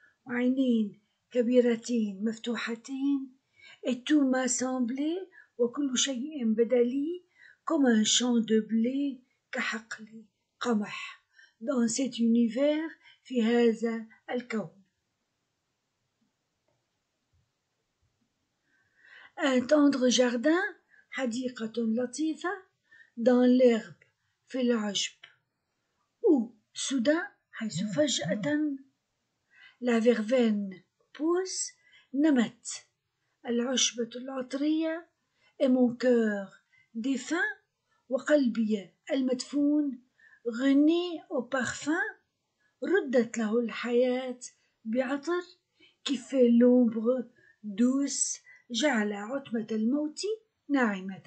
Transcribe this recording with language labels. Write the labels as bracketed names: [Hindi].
[Arabic] عينين كبيرتين مفتوحتين. [French] Et tout m'a semblé [Arabic] وكل شيء بدلي. [French] Comme un champ de blé [Arabic] كحقلي قمح. [French] Dans cet univers [Arabic] في هذا الكون. [French] Un tendre jardin, [Arabic] حديقة لطيفة, [French] dans l'herbe, [Arabic] في العشب. [French] Où, soudain, [Arabic] حيث فجأة, [French] la verveine pousse, [Arabic] نمت, العشبة العطرية, [French] et mon cœur défunt, [Arabic] وقلبي المدفون, غني [French] au parfum, [Arabic] ردت له الحياة بعطر, [French] qui fait l'ombre douce, [Arabic] جعل عتمة الموت ناعمة.